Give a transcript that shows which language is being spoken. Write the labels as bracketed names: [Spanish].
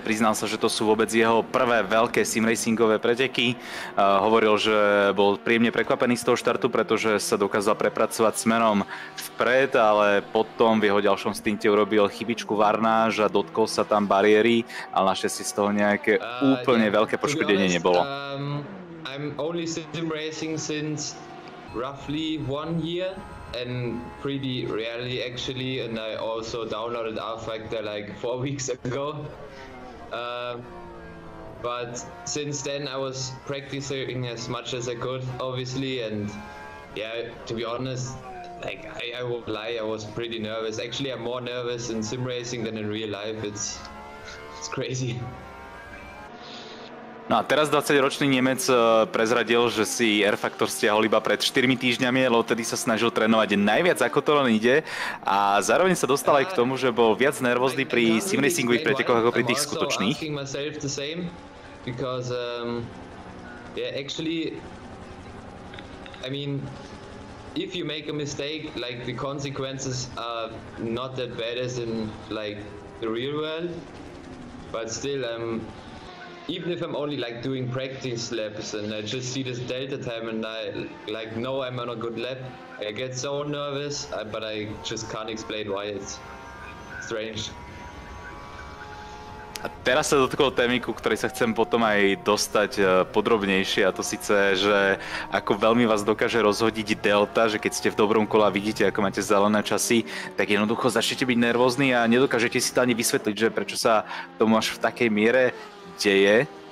[Slovak] Priznal sa, že to sú vôbec jeho prvé veľké simracingové preteky. Hovoril, že bol príjemne prekvapený z toho štartu, pretože sa dokázal prepracovať smerom vpred, ale potom v jeho ďalšom stinte urobil chybičku varnáž a dotkol sa tam bariéry, ale našťastie z toho nejaké úplne veľké poškodenie nebolo. [English] I'm only simracing since roughly one year. And pretty rarely actually, and I also downloaded R-Factor like 4 weeks ago. But since then I was practicing as much as I could, obviously, and yeah, to be honest, like I won't lie, I was pretty nervous. Actually, I'm more nervous in sim racing than in real life. It's crazy. [Slovak] No a teraz 20-ročný Nemec prezradil, že si R-Factor stiahol iba pred 4 týždňami, lebo tedy sa snažil trénovať najviac, ako to len ide. A zároveň sa dostal aj k tomu, že bol viac nervózny pri simracingových pretekoch ako pri tých skutočných. [English] I'm also asking myself the same, because, yeah, actually, I mean, if you make a mistake, like, the consequences are not that bad as in, like, the real world, but still, even if I'm only like doing practice laps and I just see this delta time and I like know I'm on a good lap, I get so nervous, but I just can't explain why it's strange. [Slovak] A teraz sa dotkol témy, ku ktorej sa chcem potom aj dostať podrobnejšie, a to síce, že ako veľmi vás dokáže rozhodiť delta, že keď ste v dobrom kole a vidíte, ako máte zelené časy, tak jednoducho začnete byť nervózni a nedokážete si to ani vysvetliť, že prečo sa tomu až v takej miere deje.